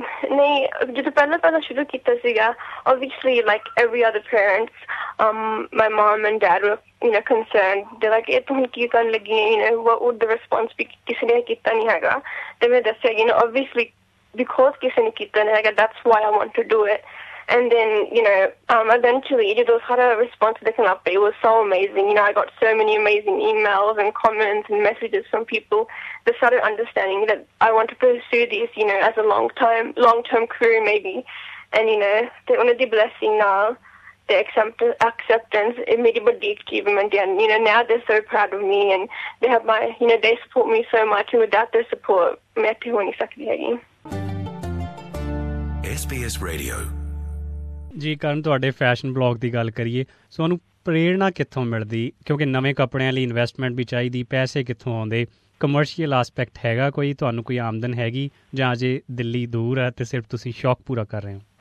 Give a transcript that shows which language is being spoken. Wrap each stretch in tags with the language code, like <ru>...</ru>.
<pa>ਨਹੀਂ, ਜਦੋਂ ਪਹਿਲਾਂ ਸ਼ੁਰੂ ਕੀਤਾ ਸੀਗਾ</pa> <en>obviously like every other parents, my mum and dad were, you know, concerned, they like</en> <pa>ਇਹ ਤੁਹਾਨੂੰ ਕੀ ਕਰਨ ਲੱਗੀ, ਯੂ ਨੋ, ਉਹ ਰਿਸਪੋਂਸ ਵੀ ਕਿਸੇ ਨੇ ਕੀਤਾ ਨਹੀਂ ਹੈਗਾ, ਤੇ ਮੈਂ ਦੱਸਿਆ, ਯੂ ਨੋ,</pa> <en>obviously because</en> <pa>ਕਿਸੇ ਨੇ ਕੀਤਾ ਨਹੀਂ ਹੈਗਾ,</pa> <en>That's why I want to do it. And then, you know, eventually, you know, had a response that came up. It was so amazing. You know, I got so many amazing emails and comments and messages from people that started understanding that I want to pursue this, you know, as a long-term career maybe. And, you know, they wanted the blessing now. ਤੇ acceptance</en> <pa>ਇਹ ਮੇਰੀ ਵੱਡੀ</pa> <en>achievement ਹੈ you know now they so proud of me and they have my you know they support me so much and without they support</en> <pa>ਮੈਂ ਇੱਥੇ ਹੋ ਨਹੀਂ ਸਕਦੀ ਹੈਗੀ SBS ਰੇਡੀਓ ਜੀ ਕਰਨ ਤੁਹਾਡੇ ਫੈਸ਼ਨ ਬਲੌਗ ਦੀ ਗੱਲ ਕਰੀਏ ਸਾਨੂੰ ਪ੍ਰੇਰਣਾ ਕਿੱਥੋਂ ਮਿਲਦੀ ਕਿਉਂਕਿ ਨਵੇਂ ਕੱਪੜਿਆਂ ਲਈ ਇਨਵੈਸਟਮੈਂਟ ਵੀ ਚਾਹੀਦੀ ਪੈਸੇ ਕਿੱਥੋਂ ਆਉਂਦੇ ਕਮਰਸ਼ੀਅਲ ਆਸਪੈਕਟ ਹੈਗਾ ਕੋਈ ਤੁਹਾਨੂੰ ਕੋਈ ਆਮਦਨ ਹੈਗੀ ਜਾਂ ਅਜੇ ਦਿੱਲੀ ਦੂਰ ਹੈ ਤੇ ਸਿਰਫ ਤੁਸੀਂ ਸ਼ੌਕ ਪੂਰਾ ਕਰ ਰਹੇ ਹੋ</pa>